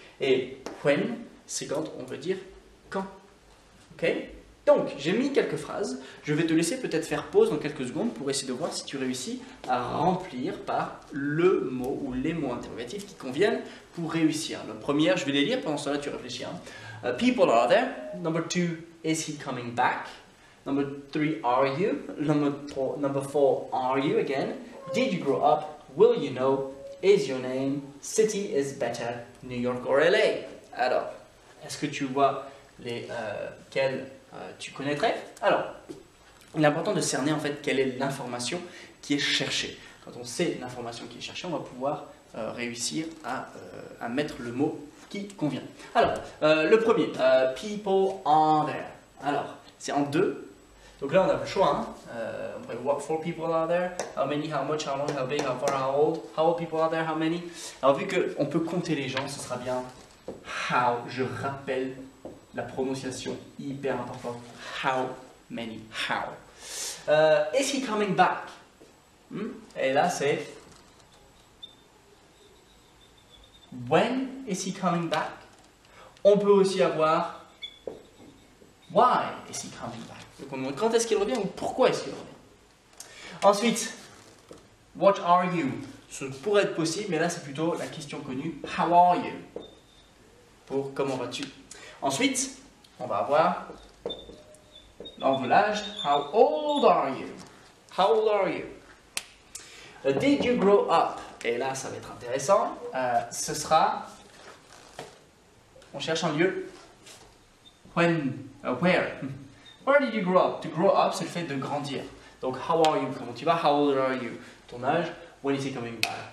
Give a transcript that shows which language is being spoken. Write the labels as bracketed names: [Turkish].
[French] Et when, c'est quand on veut dire quand. Okay? Donc, j'ai mis quelques phrases. Je vais te laisser peut-être faire pause dans quelques secondes pour essayer de voir si tu réussis à remplir par le mot ou les mots interrogatifs qui conviennent pour réussir. La première, je vais les lire. Pendant cela, tu réfléchis. [English] Hein. People are there. Number 2, is he coming back? Number 3, are you? Number 4, are you again? Did you grow up? Will you know? Is your name? City is better. New York or LA? [French] Alors, est-ce que tu vois les quels tu connaîtrais? Alors, il est important de cerner en fait quelle est l'information qui est cherchée. Quand on sait l'information qui est cherchée, on va pouvoir réussir à mettre le mot qui convient. Alors, le premier, [English] people are there. [French] Alors, c'est en deux. Donc là, on a le choix. Hein. On pourrait [English] what four people are there, how many, how much, how long, how big, how far, how old, how old people are there, how many. [French] Alors, vu qu'on peut compter les gens, ce sera bien how. Je rappelle la prononciation hyper importante. [English] How many, how. Is he coming back? [French] Et là, c'est [English] when is he coming back? [French] On peut aussi avoir [English] why is he coming back? [French] Donc on demande quand est-ce qu'il revient ou pourquoi est-ce qu'il revient. Ensuite, [English] what are you? [French] Ce pourrait être possible, mais là c'est plutôt la question connue. [English] How are you? [French] Pour comment vas-tu? Ensuite, on va avoir en village, [English] how old are you? How old are you? Did you grow up? [French] Et là, ça va être intéressant. Ce sera... On cherche un lieu. [English] When? Where? Where did you grow up? To grow up, [French] c'est le fait de grandir. [English] Donc, how are you? [French] Comment tu vas? [English] How old are you? [French] Ton âge? [English] When is he coming back?